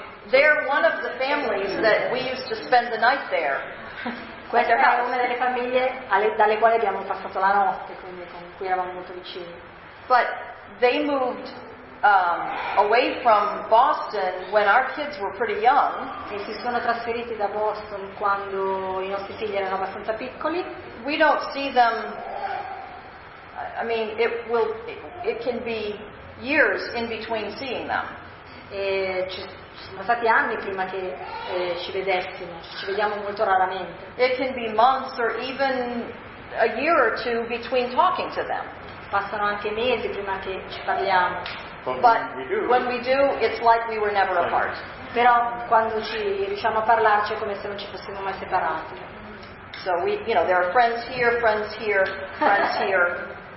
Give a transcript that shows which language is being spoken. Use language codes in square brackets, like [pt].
[en] They're one of the families that we used to spend the night there. [it] Questa è una delle famiglie dalle quali abbiamo passato la notte, quindi con cui eravamo molto vicini. [en] But they moved away from Boston when our kids were pretty young. [it] E si sono trasferiti da Boston quando i nostri figli erano abbastanza piccoli. [en] We don't see them. I mean, it can be years in between seeing them. [it] E sono stati anni prima che ci vedessimo, ci vediamo molto raramente. [en] It can be months or even a year or two between talking to them. [it] Passano anche mesi prima che ci parliamo. [en] But when we do, it's like we were never apart. [it] Però quando ci riusciamo a parlarci è come se non ci fossimo mai separati. [en] So we, there are friends here, friends here, friends here.